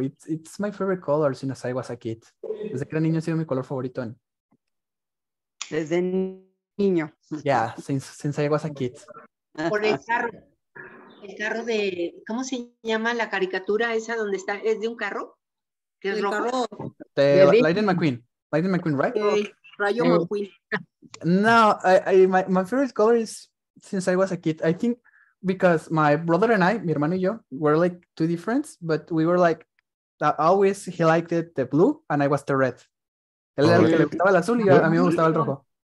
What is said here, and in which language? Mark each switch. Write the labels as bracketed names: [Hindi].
[English] It's my favorite color since I was a kid. [Spanish] Desde que era niño ha sido mi color favorito. Desde niño. [English] Yeah, since I was a kid. [Spanish] Por el carro de... ¿Cómo se llama la caricatura esa donde está? ¿Es de un carro? ¿Qué es rojo? De Lightning McQueen. Lightning McQueen, right? Rayo McQueen. [English] No, my favorite color is since I was a kid. I think... Because my brother and I, [Spanish] mi hermano y yo, [English] were like two different, but we were like, always he liked it, the blue, and I was the red. [Spanish] Él era el que le gustaba el azul y a mí me gustaba el rojo.